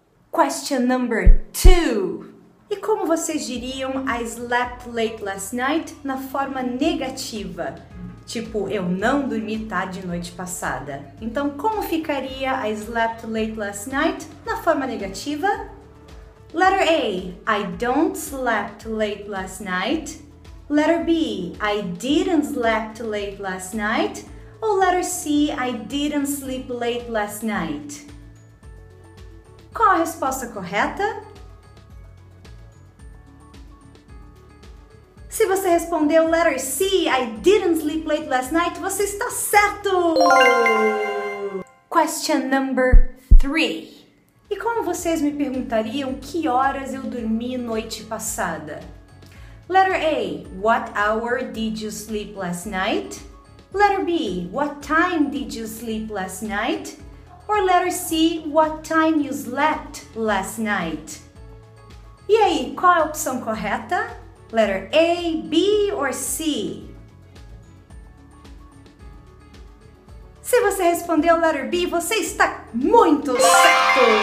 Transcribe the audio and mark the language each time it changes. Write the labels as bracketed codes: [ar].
[en] Question number two. [pt] E como vocês diriam [en] I slept late last night [pt] na forma negativa? Tipo, eu não dormi tarde noite passada. Então, como ficaria [en] I slept late last night [pt] na forma negativa? [en] Letter A. I don't slept late last night. Letter B. I didn't slept late last night. [pt] Ou [en] letter C. I didn't sleep late last night. [pt] Qual a resposta correta? Se você respondeu [en] letter C, I didn't sleep late last night, [pt] você está certo! [en] Question number three. [pt] E como vocês me perguntariam que horas eu dormi noite passada? [en] Letter A. What hour did you sleep last night? Letter B. What time did you sleep last night? Or letter C. What time you slept last night? [pt] E aí, qual é a opção correta? [en] Letter A, B or C? [pt] Se você respondeu letter B, você está muito certo!